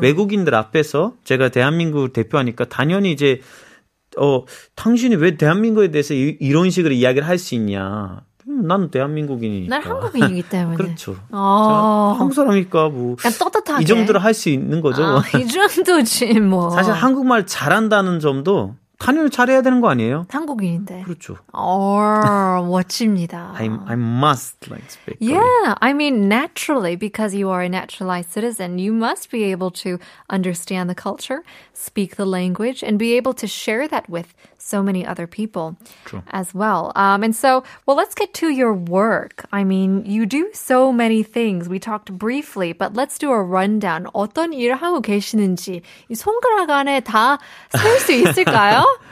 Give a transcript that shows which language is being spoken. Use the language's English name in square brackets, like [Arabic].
[Korean] 외국인들 앞에서 제가 대한민국을 대표하니까 당연히 이제 당신이 왜 대한민국에 대해서 이런 식으로 이야기를 할 수 있냐. 난 대한민국이니까. 난 한국인이기 때문에. 그렇죠. 한국 사람이니까 뭐. 그냥 떳떳하게. 이 정도로 할 수 있는 거죠. 아, 이 정도지 뭐. 사실 한국말 잘한다는 점도 당연히 잘해야 되는 거 아니에요? 한국인인데. 그렇죠. 멋집니다. [English] I must like to speak. Yeah, I mean naturally because you are a naturalized citizen, you must be able to understand the culture, speak the language, and be able to share that with so many other people True. As well. And so, well, let's get to your work. I mean, you do so many things. We talked briefly, but let's do a rundown. [Korean] 어떤 일 하고 계시는지 이 손가락 안에 다 셀 수 있을까요?